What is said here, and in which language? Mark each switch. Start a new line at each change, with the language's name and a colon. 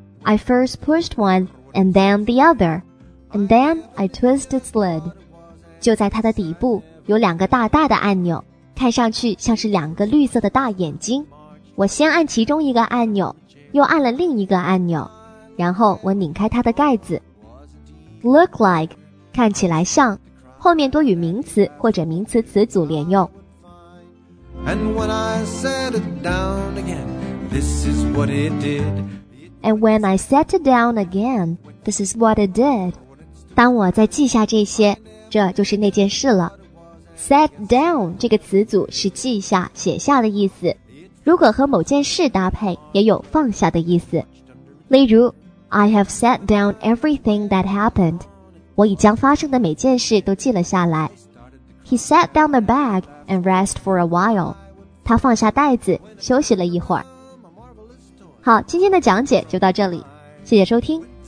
English: I first pushed one and then the other, and then I twisted its lid.
Chinese: 就在它的底部有两个大大的按钮，看上去像是两个绿色的大眼睛。我先按其中一个按钮，又按了另一个按钮，然后我拧开它的盖子。
English: Look like,
Chinese: 看起来像，后面多与名词或者名词词组连用。
English: And when I set it down again, this is what it did. And when I set it down again, this is what it did.
Chinese: 当我再记下这些，这就是那件事了。 Set down 这个词组是记下、写下的意思，如果和某件事搭配也有放下的意思。例如
English: I have set down everything that happened.
Chinese: 我已将发生的每件事都记了下来。
English: He set down the bag and rest for a while.
Chinese: 他放下袋子休息了一会儿。好，今天的讲解就到这里，谢谢收听。